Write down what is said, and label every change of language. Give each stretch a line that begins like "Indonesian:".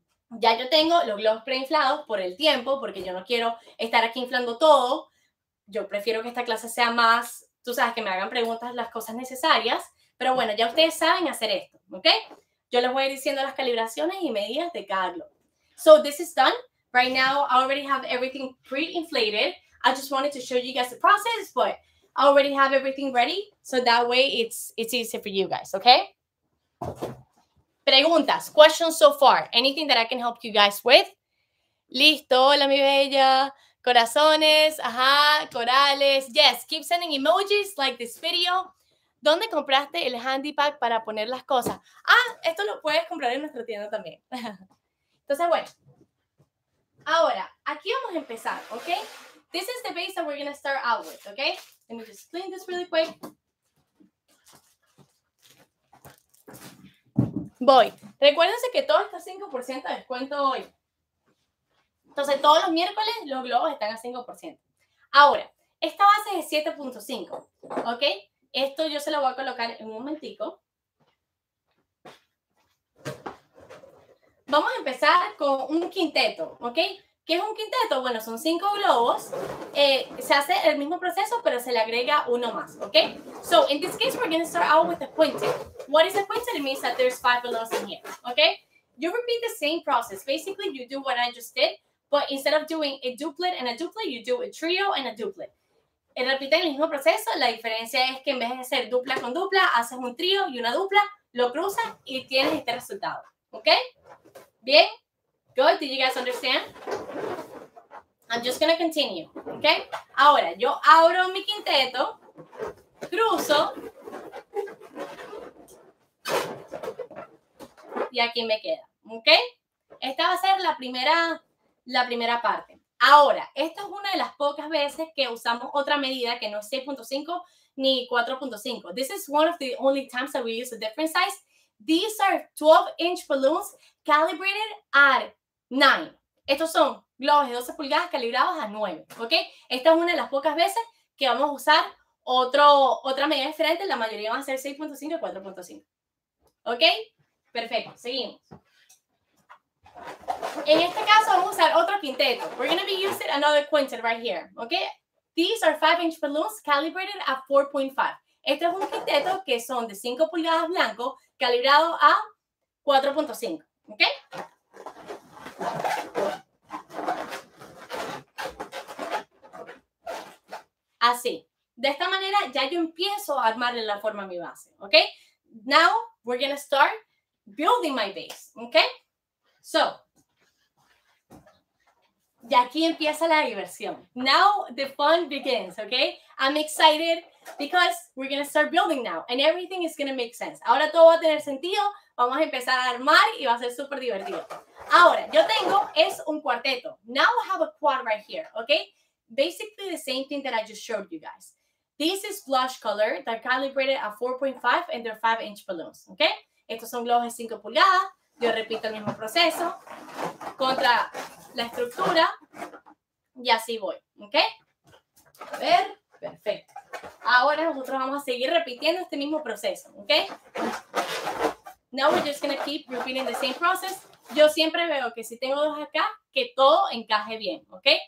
Spanish: Ya yo tengo los globos preinflados por el tiempo, porque yo no quiero estar aquí inflando todo. Yo prefiero que esta clase sea más, tú sabes, que me hagan preguntas las cosas necesarias. Pero bueno, ya ustedes saben hacer esto, ¿ok? Yo les voy a ir diciendo las calibraciones y medidas de cada globo.
English: So this is done. Right now, I already have everything pre-inflated. I just wanted to show you guys the process, but I already have everything ready. So that way, it's easy for you guys, ¿ok? Preguntas, questions so far, anything that I can help you guys with.
Spanish: Listo, hola mi bella, corazones, ajá, corales.
English: Yes, keep sending emojis like this video.
Spanish: ¿Dónde compraste el handy pack para poner las cosas? Ah, esto lo puedes comprar en nuestra tienda también. Entonces, bueno, ahora, aquí vamos a empezar, ¿ok?
English: This is the base that we're going to start out with, ¿ok? Let me just clean this really quick.
Spanish: Voy. Recuérdense que todo está a 5% de descuento hoy. Entonces, todos los miércoles los globos están a 5%. Ahora, esta base es de 7.5, ¿ok? Esto yo se lo voy a colocar en un momentico. Vamos a empezar con un quinteto, ¿ok? ¿Qué es un quinteto? Bueno, son 5 globos. Se hace el mismo proceso, pero se le agrega uno más, ¿ok?
English: So, in this case, we're going to start out with a quintet. What is a quintet? It means that there's 5 balloons in here, ¿ok? You repeat the same process. Basically, you do what I just did, but instead of doing a duplet and a duplet, you do a trio and a duplet.
Spanish: Repite el mismo proceso. La diferencia es que en vez de hacer dupla con dupla, haces un trio y una dupla, lo cruzas y tienes este resultado, ¿ok?
English: Bien. Good, did you guys understand? I'm just gonna continue, okay?
Spanish: Ahora, yo abro mi quinteto, cruzo, y aquí me queda, okay? Esta va a ser la primera parte. Ahora, esta es una de las pocas veces que usamos otra medida que no es 6.5 ni 4.5.
English: This is one of the only times that we use a different size. These are 12-inch balloons calibrated at 9.
Spanish: Estos son globos de 12 pulgadas calibrados a 9, ¿ok? Esta es una de las pocas veces que vamos a usar otra medida diferente. La mayoría van a ser 6.5 y 4.5, ¿ok? Perfecto, seguimos. En este caso vamos a usar otro quinteto.
English: We're going to be using another quintet right here, okay? These are 5-inch balloons calibrated at 4.5.
Spanish: Este es un quinteto que son de 5 pulgadas blanco calibrado a 4.5, okay? Así. De esta manera ya yo empiezo a armarle la forma a mi base, okay?
English: Now we're going to start building my base, okay?
Spanish: So, y aquí empieza la diversión.
English: Now the fun begins, okay? I'm excited because we're going to start building now and everything is going to make sense.
Spanish: Ahora todo va a tener sentido, vamos a empezar a armar y va a ser súper divertido. Ahora, yo tengo, es un cuarteto.
English: Now I have a quad right here, okay? Basically the same thing that I just showed you guys. This is blush color, they're calibrated at 4.5 and they're 5-inch balloons, okay?
Spanish: Estos son globos de 5 pulgadas. Yo repito el mismo proceso contra la estructura y así voy, ¿ok? A ver, perfecto. Ahora nosotros vamos a seguir repitiendo este mismo proceso, ¿ok?
English: Now we're just gonna keep repeating the same process.
Spanish: Yo siempre veo que si tengo dos acá, que todo encaje bien, ¿ok?